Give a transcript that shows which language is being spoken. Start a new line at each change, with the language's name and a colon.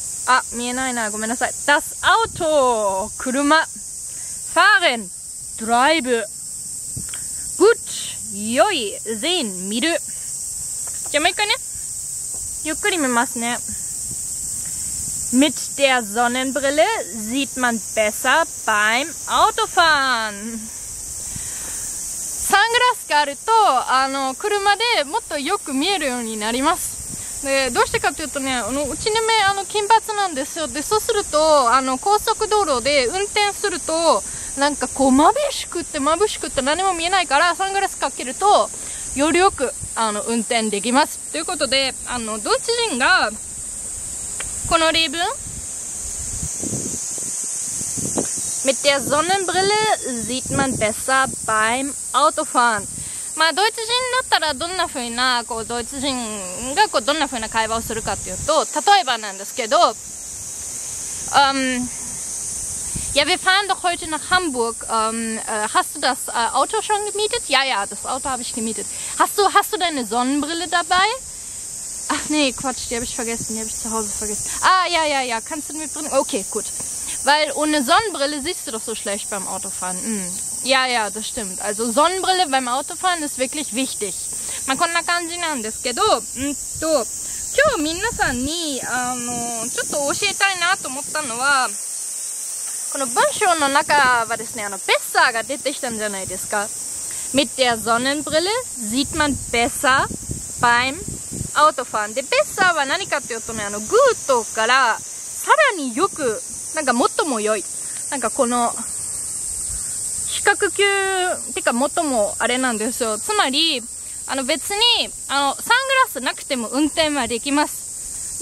German: Auto, 車, fahren, drive, gut, 良い, sehen, 見る.
Japanese: じゃあもう一回ね。ゆっくり見ますね。
German: Mit der Sonnenbrille sieht man besser beim Autofahren.
Japanese: サングラスがあると、車でもっとよく見えるようになります。で、どうしてかというとね、うちの目、金髪なんですよ。で、そうすると、高速道路で運転すると、なんかこう、眩しくって何も見えないから、サングラスかけると、よりよく、運転できます。ということで、ドイツ人が、この例文。
German: Mit der Sonnenbrille sieht man besser beim Autofahren。
Japanese: まあ、ドイツ人だったらどんな風な、ドイツ人がこうどんな風な会話をするかっていうと、例えばなんですけど、
German: Ja, wir fahren doch heute nach Hamburg. Hast du das Auto schon gemietet? Ja, ja, das Auto habe ich gemietet. Hast du deine Sonnenbrille dabei? Ach nee, Quatsch, die habe ich vergessen, die habe ich zu Hause vergessen. Ah, ja, ja, ja, kannst du mitbringen? Okay, gut. Weil ohne Sonnenbrille siehst du doch so schlecht beim Autofahren. Hm. Ja, ja, das stimmt. Also Sonnenbrille beim Autofahren ist wirklich wichtig.
Japanese: まあ、こんな感じなんですけど、今日皆さんに、ちょっと教えたいなと思ったのは、この文章の中はですね、besser が出てきたんじゃないですか。
German: Mit der Sonnenbrille sieht man besser beim Autofahren.
Japanese: で、besser は何かっていうとね、gutからさらによく、なんか最も良い。なんかこの、比較級ってか元もあれなんですよ。つまり別にサングラスなくても運転はできます。